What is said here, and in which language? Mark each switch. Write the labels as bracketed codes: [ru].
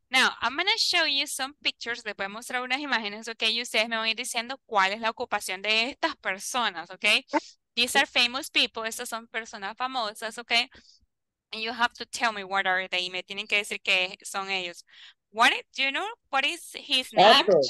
[en] Now, I'm going to show you some pictures. [es] Les voy a mostrar unas imágenes, okay? Y ustedes me van a ir diciendo cuál es la ocupación de estas personas, okay? [en] These are famous people. [es] Estas son personas famosas, okay? [en] And you have to tell me what are they. [es] Me tienen que decir que son ellos. [en] What is, do you know what is his name?